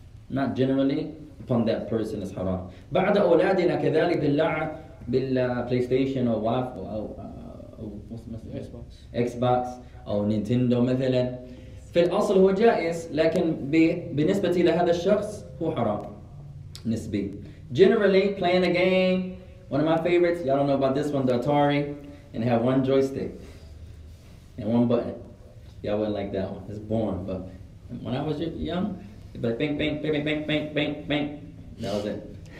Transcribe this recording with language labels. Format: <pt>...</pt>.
<en>Not generally, upon that person is haram.</en> <ar>بعد أولادنا كذلك باللعب بالPlayStation</ar> <en>or Wi-Fi or</en> <ar>Xbox أو Nintendo مثلا. في الأصل هو جائز لكن بالنسبة لهذا الشخص هو حرام نسبي.</ar> <en>Generally playing a game, one of my favorites, y'all don't know about this one, the Atari, and they have one joystick and one button. Y'all wouldn't like that one. It's boring. But when I was young, it'd be like bang bang bang bang bang bang bang. That was it.</en>